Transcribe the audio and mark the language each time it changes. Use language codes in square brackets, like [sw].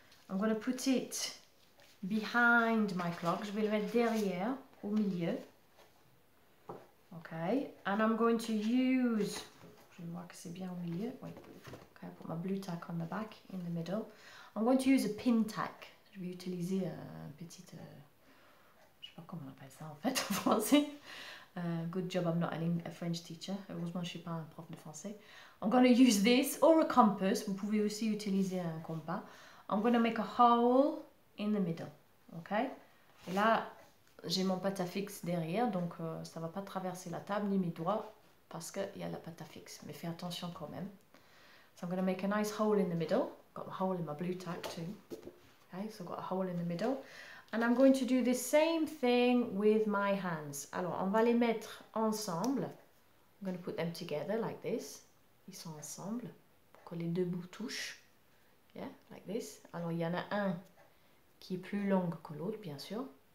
[en] I'm going to put it behind my clock, [fr] je vais le mettre derrière, au milieu. [en] Okay, and I'm going to use, [fr] je vois que c'est bien au milieu, oui. [en] Okay, I put my blue tack on the back, in the middle. I'm going to use a pin tack. [fr] Je vais utiliser un petit, je sais pas comment on appelle ça en fait en français. [en] Good job, I'm not a French teacher. [fr] Heureusement, je suis pas un prof de français. [en] I'm going to use this, or a compass. [fr] Vous pouvez aussi utiliser un compas. [en] I'm going to make a hole in the middle. [fr] Okay, et là, j'ai mon patafix derrière, donc ça ne va pas traverser la table ni mes doigts parce qu'il y a la patafix. Mais fais attention quand même. [en] So I'm going to make a nice hole in the middle. Got a hole in my blue tack too. Okay, so I've got a hole in the middle. And I'm going to do the same thing with my hands. [fr] Alors, on va les mettre ensemble. [en] I'm going to put them together like this. [fr] Ils sont ensemble pour que les deux bouts touchent. [en] Yeah, like this. [fr] Alors, il y en a un qui est plus long que l'autre, bien sûr.